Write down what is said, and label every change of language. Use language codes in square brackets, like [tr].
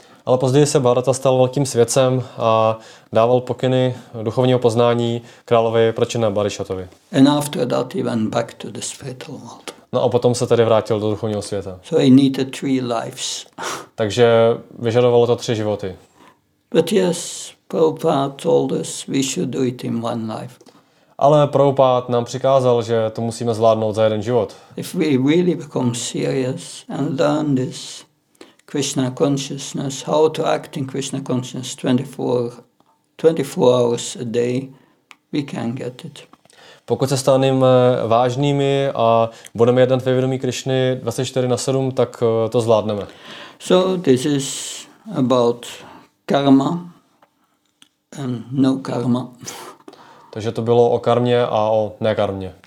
[cs] Ale později se Bharata stal velkým svědcem a dával pokyny duchovního poznání královi Prachina Barisatovi. [en] And after that he went back to the spiritual world. [cs] No a potom se tady vrátil do duchovního světa. [en] So he needed three lives. [cs] Takže vyžadovalo to tři životy. [en] But yes, Prabhupada told us we should do it in one life. [cs] Ale Prabhupada nám přikázal, že to musíme zvládnout za jeden život. [en] If we really become serious and learn this Krishna consciousness, how to act in Krishna consciousness 24 hours a day, we can get it. [cs] Pokud se staneme vážnými a budeme jednat ve vědomí Krišny 24/7, tak to zvládneme. [en] So this is about karma and no karma. [cs] Takže to bylo o karmě a o nekarmě.